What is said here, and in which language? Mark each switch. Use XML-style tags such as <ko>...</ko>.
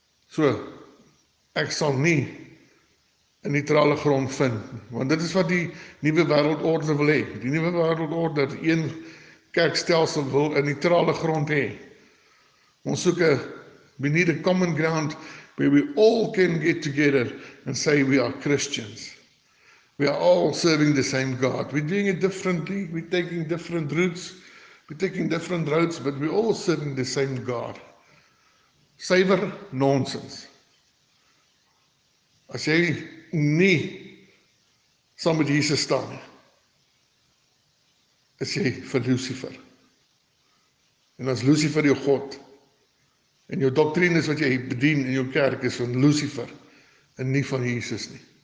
<af>So, ek sal nie 'n neutrale grond vind, want dit is wat die nuwe wêreldorde wil hê. Die nuwe wêreldorde, een kerkstelsel wil 'n neutrale grond hê.</af> <en>Ons soek 'n benede common ground where we all can get together and say we are Christians. We are all serving the same God. We're doing it differently, we're taking different routes, but we're all serving the same God.</en> <af>Suiwer nonsens. As jy nie saam met Jesus staan nie, is jy vir Lucifer. En as Lucifer jou God en jou doktrines wat jy bedien in jou kerk is van Lucifer en nie van Jesus nie.</af>